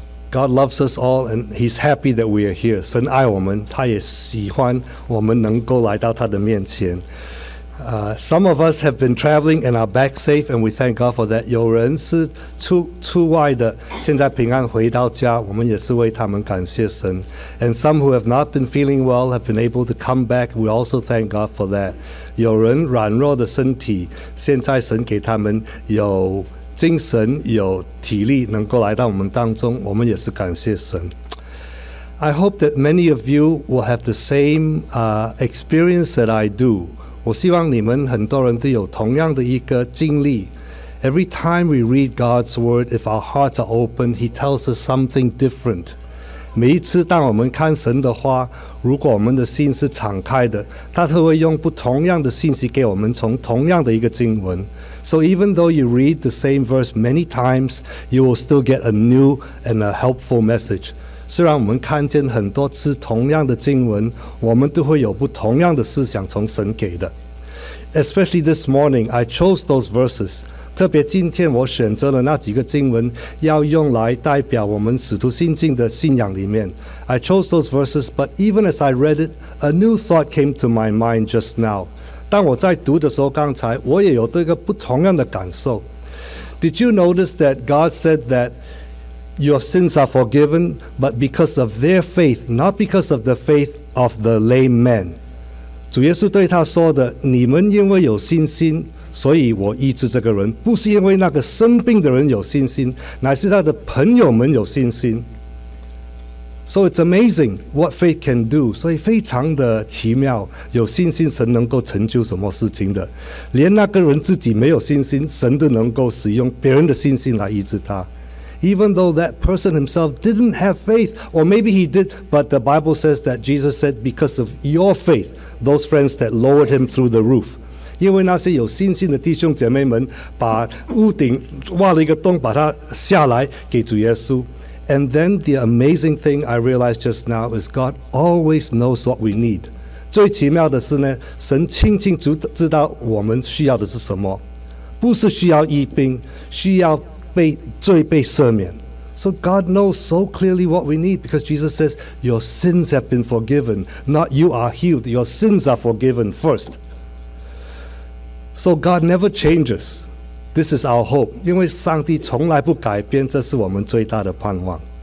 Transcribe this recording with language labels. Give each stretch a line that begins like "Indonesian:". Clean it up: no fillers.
English: God loves us all, and He's happy that we are here.
Chinese: 神爱我们，他也喜欢我们能够来到他的面前。
English: Some of us have been traveling and are back safe, and we thank God for that.
Chinese: 有人是出外的，现在平安回到家，我们也是为他们感谢神。
English: And some who have not been feeling well have been able to come back. We also thank God for that.
Chinese: 有人软弱的身体，现在神给他们有精神有体力能够来到我们当中，我们也是感谢神。
English: I hope that many of you will have the same experience that I do.
Chinese: 我希望你们很多人都有同样的一个经历。
English: Every time we read God's word, if our hearts are open, He tells us something different.
Chinese: 每一次当我们看神的话，如果我们的心是敞开的，他都会用不同样的信息给我们，从同样的一个经文。
English: So even though you read the same verse many times, you will still get a new and a helpful message.
Chinese: 虽然我们看见很多次同样的经文，我们都会有不同样的思想从神给的。
English: Especially this morning, I chose those verses.
Chinese: 特别今天我选择了那几个经文，要用来代表我们使徒信经的信仰里面。
English: I chose those verses, but even as I read it, a new thought came to my mind just now.
Chinese: 当我在读的时候，刚才我也有这个不同样的感受。
English: Did you notice that God said that your sins are forgiven, but because of their faith, not because of the faith of the lame man?
Chinese: 主耶稣对他说的：“你们因为有信心，所以我医治这个人，不是因为那个生病的人有信心，乃是他的朋友们有信心。”
English: So it's amazing what faith can do.
Chinese: 所以非常的奇妙，有信心神能够成就什么事情的。连那个人自己没有信心，神都能够使用别人的信心来医治他。
English: Even though that person himself didn't have faith, or maybe he did, but the Bible says that Jesus said, because of your faith, those friends that lowered him through the roof.
Chinese: 因为那些有信心的弟兄姐妹们把屋顶挖了一个洞把他下来给主耶稣。
English: And then the amazing thing I realized just now is God always knows what we need.
Chinese: 最奇妙的是呢，神清清楚知道我们需要的是什么，不是需要医病，需要被罪被赦免。
English: So God knows so clearly what we need because Jesus says, "Your sins have been forgiven, not you are healed. Your sins are forgiven first." So God never changes. This is our hope,
Chinese: 因为上帝从来不改变，这是我们最大的盼望。